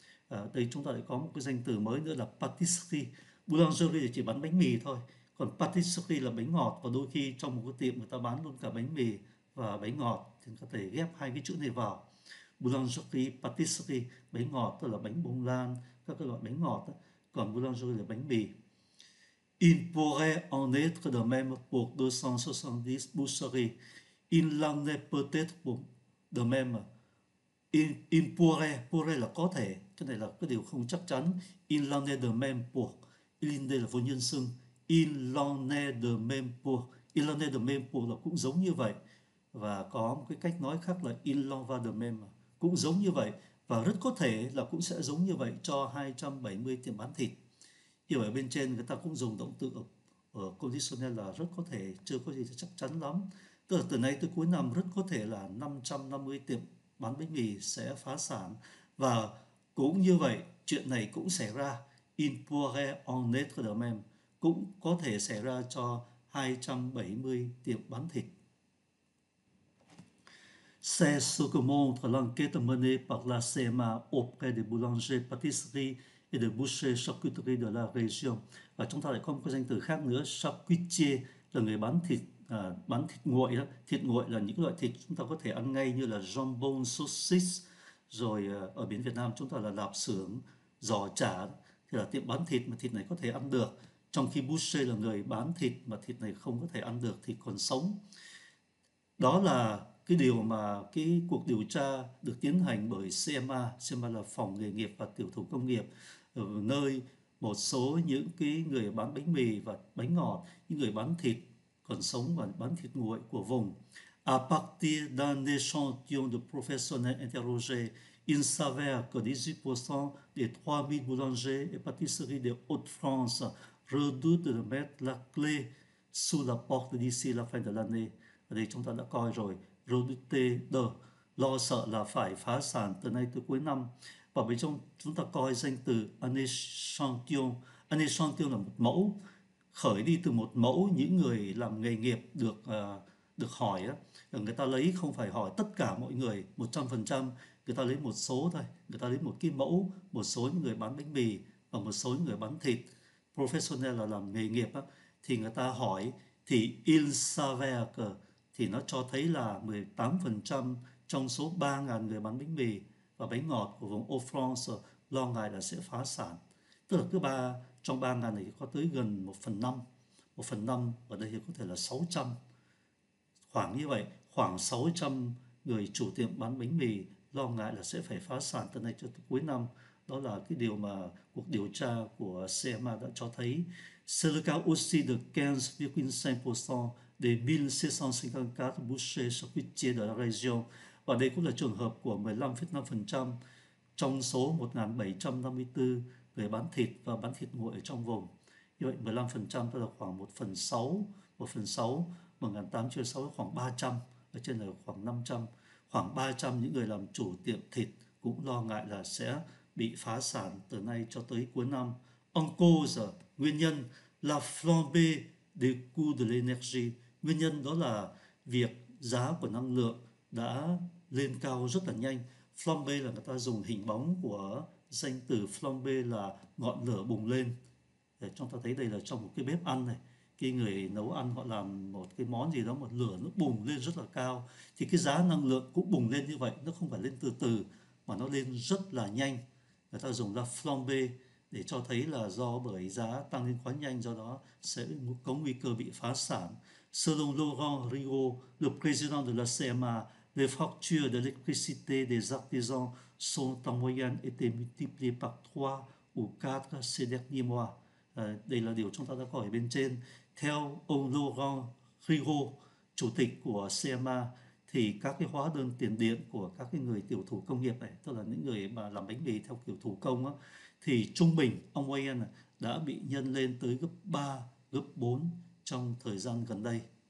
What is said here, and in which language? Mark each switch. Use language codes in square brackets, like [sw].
[vi] Đây chúng ta lại có một cái danh từ mới nữa là pâtisserie. Boulangerie thì chỉ bán bánh mì thôi, còn pâtisserie là bánh ngọt, và đôi khi trong một cái tiệm người ta bán luôn cả bánh mì và bánh ngọt, thì có thể ghép hai cái chữ này vào. Boulangerie, pâtisserie, bánh ngọt tức là bánh bông lan, các cái loại bánh ngọt, còn boulangerie là bánh mì. [fr] Il pourrait en être de même pour 270 boucheries. Il en est peut-être pour de même. Il pourrait [vi] là có thể, cái này là cái điều không chắc chắn. [fr] Il en est de même pour, [vi] il là vô nhân xưng. Il en est de même pour là cũng giống như vậy. Và có một cái cách nói khác là [fr] il en va de même, [vi] cũng giống như vậy. Và rất có thể là cũng sẽ giống như vậy cho 270 tiệm bán thịt. Như vậy bên trên người ta cũng dùng động từ ở conditionnel là rất có thể, chưa có gì chắc chắn lắm. Tức là từ nay tới cuối năm rất có thể là 550 tiệm bán bánh mì sẽ phá sản. Và cũng như vậy, chuyện này cũng xảy ra. [fr] Il pourrait en être de même, [vi] cũng có thể xảy ra cho 270 tiệm bán thịt. [fr] C'est ce que montre l'enquête menée par la CMA auprès des boulangers, pâtisseries et des bouchers charcuteries de la région. [vi] Và chúng ta lại có một cái danh từ khác nữa, charcutier là người bán thịt nguội đó. Thịt nguội là những loại thịt chúng ta có thể ăn ngay như là jambon, saucisse, rồi ở bên Việt Nam chúng ta là lạp xưởng, giò chả, thì là tiệm bán thịt mà thịt này có thể ăn được. Trong khi boucher là người bán thịt mà thịt này không có thể ăn được, thịt còn sống. Đó là cái điều mà cái cuộc điều tra được tiến hành bởi CMA là Phòng Nghề nghiệp và Tiểu thủ Công nghiệp, ở nơi một số những cái người bán bánh mì và bánh ngọt, những người bán thịt còn sống và bán thịt nguội của vùng. [fr] À partir d'un échantillon de professionnels interrogés, il s'avère que 18% des 3 000 boulangers et pâtisseries de Hauts-de-France redoutent de mettre la clé sous la porte d'ici la fin de l'année. [vi] Ở đây chúng ta đã coi rồi, [fr] redouter de, [vi] lo sợ là phải phá sản từ nay tới cuối năm. Và bên trong chúng ta coi danh từ [fr] un échantillon [vi] là một mẫu, khởi đi từ một mẫu những người làm nghề nghiệp được được hỏi á, người ta lấy không phải hỏi tất cả mọi người 100%, người ta lấy một số thôi, người ta lấy một cái mẫu, một số những người bán bánh mì và một số những người bán thịt, professional là làm nghề nghiệp á, thì người ta hỏi thì [fr] il s'avère que, [vi] thì nó cho thấy là 18% trong số 3.000 người bán bánh mì và bánh ngọt của vùng Hauts-de-France lo ngại là sẽ phá sản. Tức là cứ ba trong 3.000 này có tới gần 1/5, 1/5 ở đây thì có thể là 600. Khoảng như vậy, khoảng 600 người chủ tiệm bán bánh mì lo ngại là sẽ phải phá sản từ nay cho tới cuối năm. Đó là cái điều mà cuộc điều tra của CMA đã cho thấy. [fr] C'est le cas aussi de 15,5% des 1.754 bouchers sur cuisiniers de la région. [vi] Và đây cũng là trường hợp của 15,5% trong số 1.754 người bán thịt và bán thịt nguội ở trong vùng. Như vậy 15% tức là khoảng 1/6, 1/6 1.866 khoảng 300, ở trên là khoảng 500. Khoảng 300 những người làm chủ tiệm thịt cũng lo ngại là sẽ bị phá sản từ nay cho tới cuối năm. [fr] En cause, [vi] nguyên nhân là [fr] flambée des coûts de l'énergie. [vi] Nguyên nhân đó là việc giá của năng lượng đã lên cao rất là nhanh. Flambé là người ta dùng hình bóng của danh từ flambé là ngọn lửa bùng lên. Để chúng ta thấy đây là trong một cái bếp ăn này. Khi người nấu ăn họ làm một cái món gì đó mà lửa nó bùng lên rất là cao. Thì cái giá năng lượng cũng bùng lên như vậy. Nó không phải lên từ từ mà nó lên rất là nhanh. Người ta dùng là flambé để cho thấy là do bởi giá tăng lên quá nhanh, do đó sẽ có nguy cơ bị phá sản. [fr] Selon Laurent Rigaud, le président de la CMA, les factures d'électricité des artisans sont en moyenne été multipliées par 3 ou 4 ces derniers mois. [vi] Đây là điều chúng ta đã có ở bên trên. Theo ông Laurent Rigaud, chủ tịch của CMA, thì các cái hóa đơn tiền điện của các cái người tiểu thủ công nghiệp này, tức là những người mà làm bánh mì theo kiểu thủ công á, thì trung bình ông Wayne đã bị nhân lên tới gấp 3, gấp 4 trong thời gian gần đây.